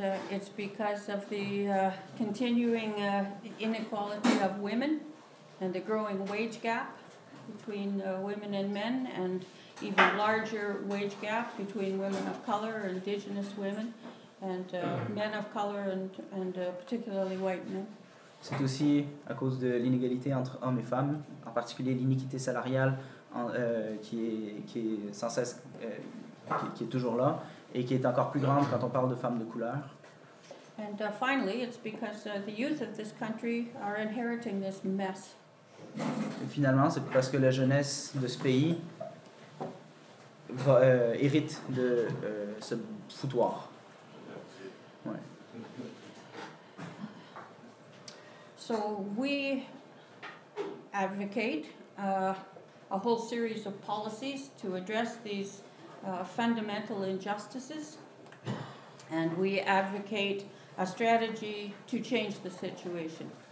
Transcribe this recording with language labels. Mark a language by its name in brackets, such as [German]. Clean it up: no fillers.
[English] It's because of the continuing inequality of women and the growing wage gap between women and men, and even larger wage gap between women of color or indigenous women, and men of color and particularly white men. [French] C'est aussi à cause de l'inégalité entre hommes et femmes, en particulier l'iniquité salariale qui est toujours là et qui est encore plus grande quand on parle de femmes de couleur. [English] And finally, it's because the youth of this country are inheriting this mess. [French] Et finalement, c'est parce que la jeunesse de ce pays hérite de ce foutoir. Ouais. [English] So we advocate a whole series of policies to address these fundamental injustices, and we advocate a strategy to change the situation.